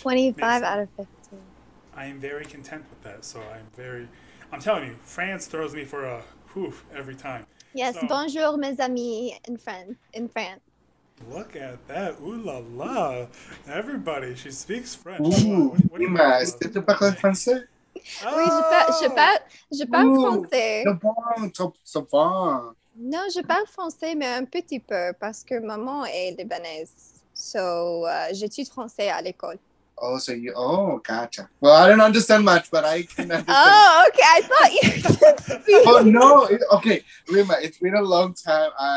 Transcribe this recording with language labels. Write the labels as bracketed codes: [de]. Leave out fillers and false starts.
[en] 25 out of 50. I am very content with that. So I'm telling you, France throws me for a whoof every time. Yes, so, [fr] bonjour mes amis [en] in France. Look at that. Ooh la la. Everybody, she speaks French. [fr] Ooh, c'était pas comme français? Oui, je parle français. C'est bon. Non, je parle français, mais un petit peu, parce que maman est libanaise. So, j'étudie français à l'école. [en] Gotcha. Well, I don't understand much, but I can understand. Oh, okay. I thought you did speak. Oh, no. Okay. Rima, it's been a long time.